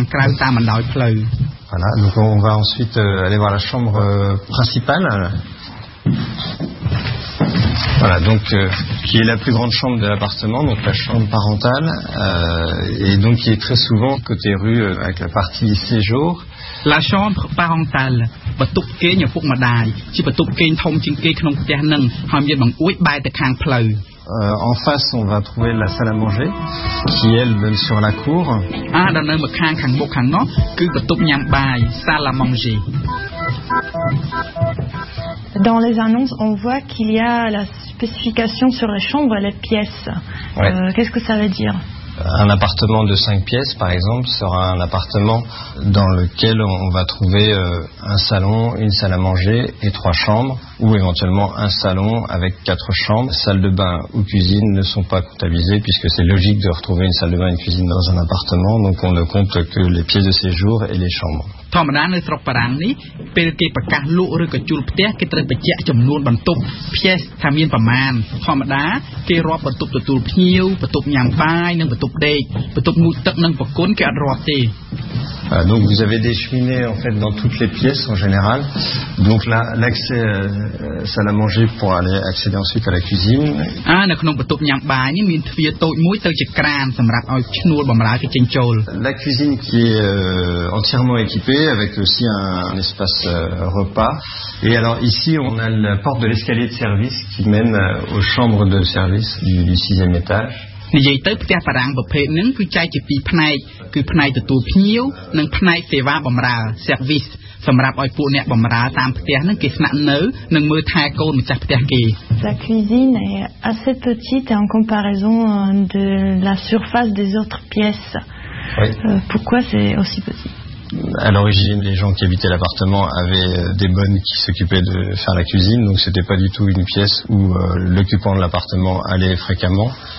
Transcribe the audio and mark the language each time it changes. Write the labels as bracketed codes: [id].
[fr] Voilà, donc on va ensuite aller voir la chambre principale. Voilà, donc qui est la plus grande chambre de l'appartement, donc la chambre parentale, et donc qui est très souvent côté rue avec la partie du séjour. La chambre parentale, [km] បន្ទប់គេងឪពុកម្ដាយ ជាបន្ទប់គេងធំជាងគេក្នុងផ្ទះនឹង ហើយមានបង្អួចបែរទៅខាងផ្លូវ [fr] En face, on va trouver la salle à manger, qui elle donne sur la cour. Ah, dans le mokhang, khang bok khang no, que le top nyam bai, salle à manger. Dans les annonces, on voit qu'il y a la spécification sur les chambres et les pièces. Ouais. Qu'est-ce que ça veut dire ? Un appartement de 5 pièces, par exemple, sera un appartement dans lequel on va trouver un salon, une salle à manger et 3 chambres, ou éventuellement un salon avec 4 chambres. Salle de bain ou cuisine ne sont pas comptabilisées, puisque c'est logique de retrouver une salle de bain et une cuisine dans un appartement, donc on ne compte que les pièces de séjour et les chambres. [km] ធម្មតានៅស្រុកបារាំងនេះពេលគេប្រកាសលក់ឬក៏ជួលផ្ទះគេត្រូវបញ្ជាក់ចំនួនបន្ទប់ភ្នាក់ងារថាមានប្រមាណធម្មតាគេរាប់បន្ទប់ទទួលភ្ញៀវបន្ទប់ញ៉ាំបាយនិងបន្ទប់ដេកបន្ទប់ងូតទឹកនិងប្រគន់គេអត់រាប់ទេ [fr] Donc vous avez des cheminées en fait dans toutes les pièces en général. Donc là, l'accès salle à manger pour aller accéder ensuite à la cuisine. [km] Ah, នៅក្នុងបន្ទប់ញ៉ាំបាយនេះមានទ្វារតូចមួយទៅជាក្រានសម្រាប់ឲ្យឈ្នួលបម្រើគេចេញចូល. [fr] La cuisine qui est entièrement équipée avec aussi un espace repas. Et alors ici, on a la porte de l'escalier de service qui mène aux chambres de service du 6e étage. [km] នាយីទៅផ្ទះបារាំងប្រភេទហ្នឹងគឺចែកជាពីរផ្នែកគឺផ្នែកទទួលភ្ញៀវនិងផ្នែកសេវាបម្រើ service សម្រាប់ឲ្យពួកអ្នកបម្រើតាមផ្ទះហ្នឹងគេស្នាក់នៅនិងមើលថែកូនម្ចាស់ផ្ទះគេ [fr] La cuisine est assez petite en comparaison de la surface des autres pièces. Pourquoi c'est aussi petit? À l'origine, les gens qui habitaient l'appartement avaient des bonnes qui s'occupaient de faire la cuisine, donc c'était pas du tout une pièce où l'occupant de l'appartement allait fréquemment.